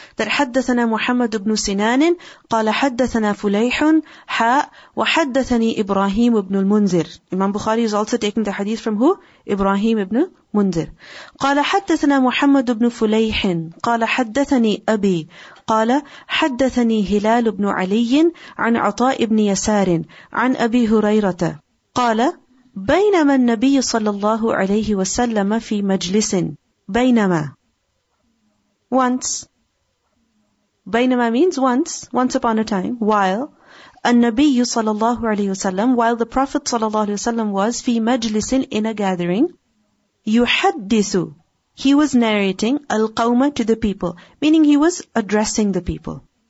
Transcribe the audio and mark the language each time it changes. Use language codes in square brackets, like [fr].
[ar] That حدثنا محمد بن سنان قال حدثنا فليح حاء وحدثني إبراهيم بن المنذر. [en] Imam Bukhari is also taking the hadith from who? Ibrahim ibn Munzir. [ar] قال حدثنا محمد بن فليح قال حدثني أبي قال حدثني هلال بن علي عن عطاء بن يسار عن أبي هريرة قال بينما النبي صلى الله عليه وسلم في مجلس بينما. [en] Once, bainama means once upon a time, while, an-Nabiyyu sallallahu alayhi wa sallam, while the Prophet sallallahu alayhi wa sallam was fi majlisin, in a gathering, yuhaddithu, he was narrating al-qawma to the people, meaning he was addressing the people.